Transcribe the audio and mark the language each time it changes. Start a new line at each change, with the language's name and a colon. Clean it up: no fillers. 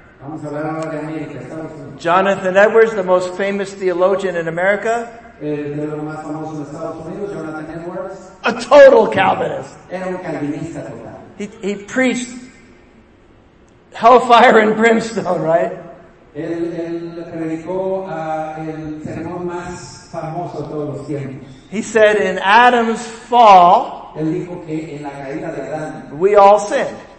Spanish: Vamos a hablar ahora de América, Estados Unidos.
English: Jonathan Edwards, the most famous theologian in America.
Spanish: De los más famosos en Estados Unidos, Jonathan Edwards.
English: A total Calvinist.
Spanish: Era un calvinista total.
English: He preached hellfire and brimstone, right? He said in Adam's fall, we all sinned.